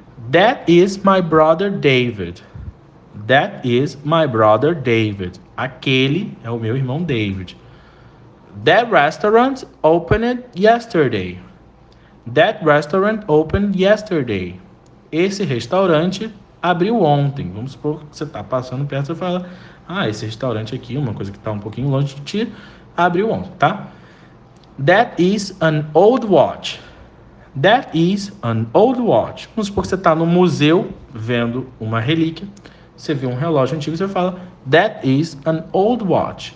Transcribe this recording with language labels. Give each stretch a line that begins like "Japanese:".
English: That is my brother David. That is my brother David.
Portuguese: Aquele é o meu irmão David.
English: That restaurant opened yesterday. That restaurant opened yesterday.
Portuguese: Esse restaurante abriu ontem. Vamos supor que você está passando perto e fala, ah, esse restaurante aqui, uma coisa que está um pouquinho longe de ti, abriu ontem, tá?
English: That is an old watch. That is an old watch.
Portuguese: Vamos supor que você está no museu vendo uma relíquia. Você vê um relógio antigo e você fala,
English: that is an old watch.